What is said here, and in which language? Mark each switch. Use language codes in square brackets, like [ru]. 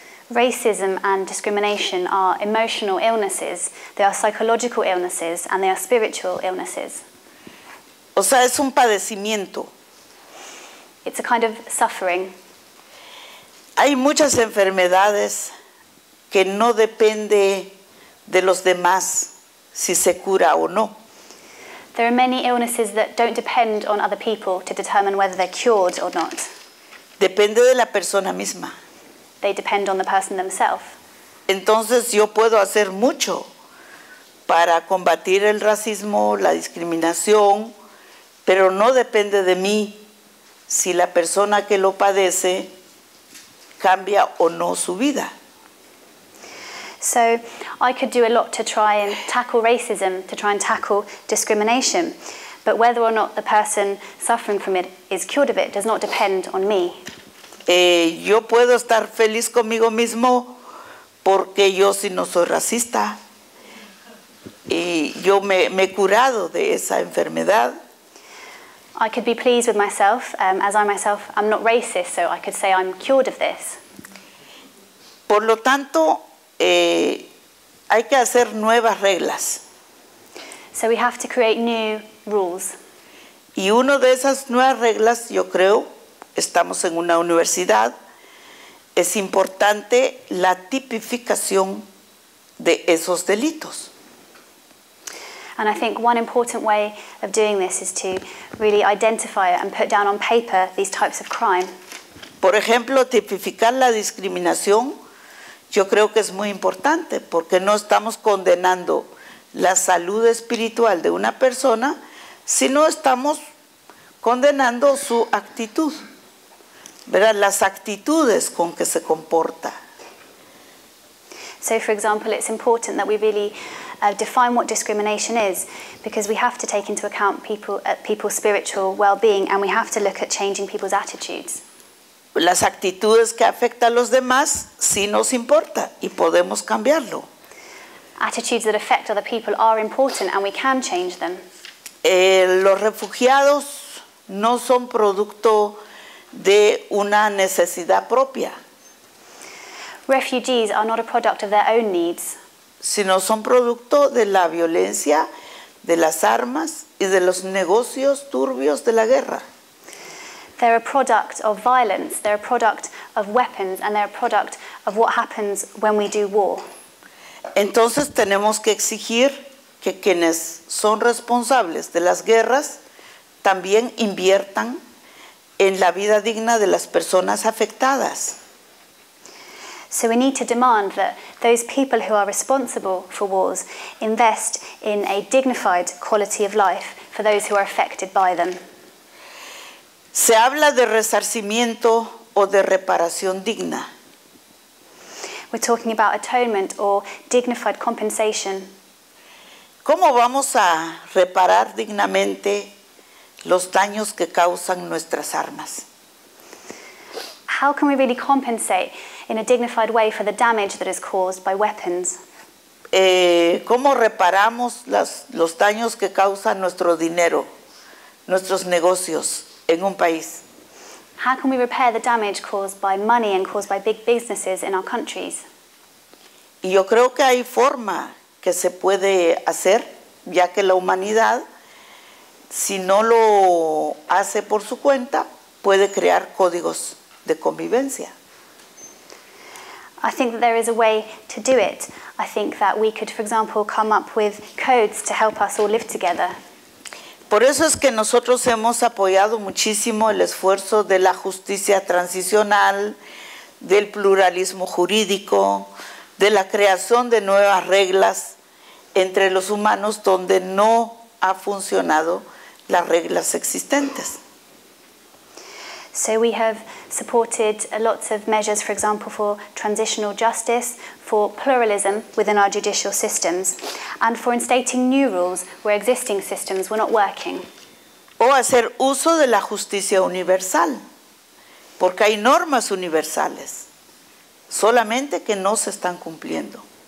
[en] Racism and discrimination are emotional illnesses, they are psychological illnesses, and they are spiritual illnesses. [es] O sea, es un padecimiento. [en] It's a kind of suffering. [es] Hay muchas enfermedades que no depende de los demás si se cura o no. [en] There are many illnesses that don't depend on other people to determine whether they're cured or not. [es] Depende de la persona misma. [en] They depend on the person themselves. [es] Entonces yo puedo hacer mucho para combatir el racismo, la discriminación, pero no depende de mí si la persona que lo padece cambia o no su vida. [en] So, I could do a lot to try and tackle racism, to try and tackle discrimination. But whether or not the person suffering from it is cured of it does not depend on me. [es] Yo puedo estar feliz conmigo mismo porque yo sí no soy racista. Y yo me he curado de esa enfermedad. [en] I could be pleased with myself, as I myself am not racist, so I could say I'm cured of this. [es] Por lo tanto, hay que hacer nuevas reglas. [en] So we have to create new rules. [es] Y una de esas nuevas reglas, yo creo, estamos en una universidad, es importante la tipificación de esos delitos. [en] And I think one important way of doing this is to really identify it and put down on paper these types of crime. [es] Por ejemplo, tipificar la discriminación. Yo creo que es muy importante porque no estamos condenando la salud espiritual de una persona, sino estamos condenando su actitud, ¿verdad? Las actitudes con que se comporta. [en] So, for example, it's important that we really define what discrimination is, because we have to take into account people's spiritual well-being, and we have to look at changing people's attitudes. [es] Las actitudes que afectan a los demás sí nos importa y podemos cambiarlo. [en] Attitudes that affect other people are important and we can change them. [es] Los refugiados no son producto de una necesidad propia. [en] Refugees are not a product of their own needs. [es] sino son producto de la violencia, de las armas y de los negocios turbios de la guerra. [en] They're a product of violence, they're a product of weapons, and they're a product of what happens when we do war. [es] Entonces tenemos que exigir que quienes son responsables de las guerras también inviertan en la vida digna de las personas afectadas. [en] So we need to demand that those people who are responsible for wars invest in a dignified quality of life for those who are affected by them. [es] Se habla de resarcimiento o de reparación digna. [en] We're talking about atonement or dignified compensation. [es] ¿Cómo vamos a reparar dignamente los daños que causan nuestras armas? [en] How can we really compensate in a dignified way for the damage that is caused by weapons? [es] ¿Cómo reparamos los daños que causa nuestro dinero, nuestros negocios en un país? [en] How can we repair the damage caused by money and caused by big businesses in our countries? [es] Y yo creo que hay forma que se puede hacer, ya que la humanidad, si no lo hace por su cuenta, puede crear códigos de convivencia. [en] I think that there is a way to do it. I think that we could, for example, come up with codes to help us all live together. [es] Por eso es que nosotros hemos apoyado muchísimo el esfuerzo de la justicia transicional, del pluralismo jurídico, de la creación de nuevas reglas entre los humanos donde no ha funcionado las reglas existentes. [en] So we have supported lots of measures, for example, for transitional justice, for pluralism within our judicial systems, and for instating new rules where existing systems were not working. [es] O hacer uso de la justicia universal, porque hay normas universales, solamente que no se están cumpliendo.